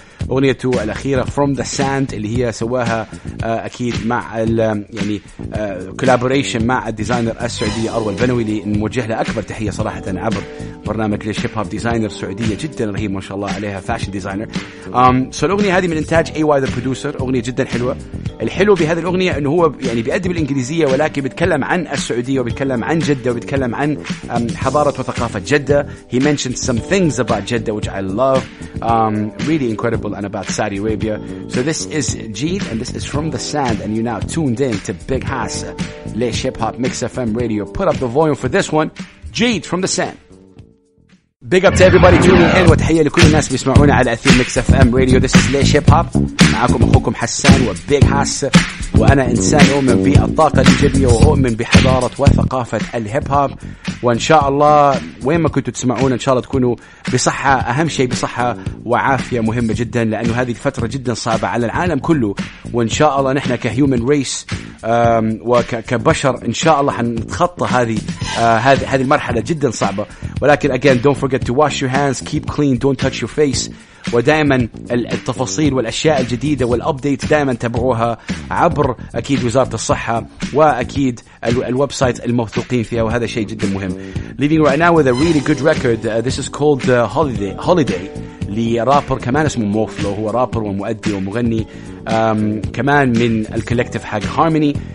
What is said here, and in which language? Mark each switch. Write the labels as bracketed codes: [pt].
[ar] اغنيته الاخيره From the Sand اللي هي سواها اكيد مع يعني كولابوريشن مع الديزاينر السعوديه اروى البنوي اللي نوجه له اكبر تحيه صراحه عبر برنامج ليش هيب هوب. ديزاينر سعوديه جدا رهيب ما شاء الله عليها, فاشن ديزاينر. الاغنيه هذه من انتاج اي واي ذا برودوسر, اغنيه جدا حلوه. الحلو بهذه الاغنيه انه هو يعني بيأدي بالانجليزيه ولكن بيتكلم عن السعوديه وبيتكلم عن جده وبيتكلم عن حضاره وثقافه جده. [en] He mentioned some things about Jeddah which I love, really incredible, and about Saudi Arabia. So this is Jeed and this is From the Sand, and you're now tuned in to Big Hass Laish Hip Hop Mix FM Radio. Put up the volume for this one, Jeed, From the Sand. Big up to everybody tuning in, [ar] وتحية لكل الناس بيسمعونا على أثير [en] Mix FM Radio. This is Laish Hip Hop, [ar] معكم أخوكم حسان وBig Hass, وأنا إنسان أؤمن بالطاقة الإيجابية وأؤمن بحضارة وثقافة الهيب هوب. وإن شاء الله وين ما كنتوا تسمعونا إن شاء الله تكونوا بصحة, أهم شيء بصحة وعافية مهمة جدا, لأنه هذه الفترة جدا صعبة على العالم كله. وإن شاء الله نحن كهيومن ريس وكبشر إن شاء الله حنتخطى هذه المرحلة جدا صعبة. ولكن [en] again, don't forget to wash your hands, keep clean, don't touch your face. [ar] ودائما التفاصيل والأشياء الجديدة والأبديت دائما تابعوها عبر أكيد وزارة الصحة وأكيد الويب سايت الموثوقين فيها, وهذا شيء جدا مهم. [en] Leaving right now with a really good record, this is called Holiday [ar] لرابر كمان اسمه موفلو, هو رابر ومؤدي ومغني كمان من الكولكتيف حق هارموني.